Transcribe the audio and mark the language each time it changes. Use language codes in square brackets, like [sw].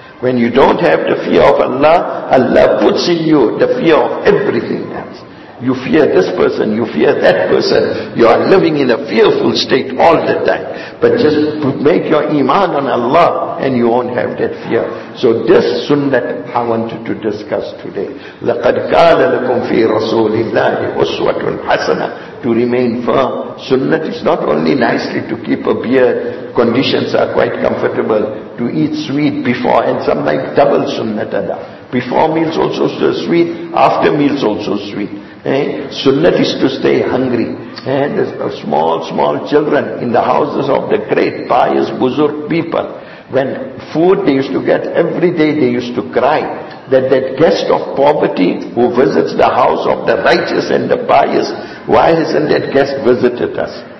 [en] When you don't have the fear of Allah, Allah puts in you the fear of everything else. You fear this person, you fear that person. You are living in a fearful state all the time. But just make your iman on Allah and you won't have that fear. So this sunnah I wanted to discuss today. [ar] لَقَدْ كَالَ لَكُمْ فِي رَسُولِ اللَّهِ أُسْوَةٌ حَسَنَةٌ [en] To remain firm. Sunnah is not only nicely to keep a beard. Conditions are quite comfortable. To eat sweet before and some like double sunnah ada. Before meals also sweet, after meals also sweet. Sunnah is to stay hungry. And small children in the houses of the great pious buzurg people, when food they used to get every day, they used to cry that guest of poverty who visits the house of the righteous and the pious, why hasn't that guest visited us?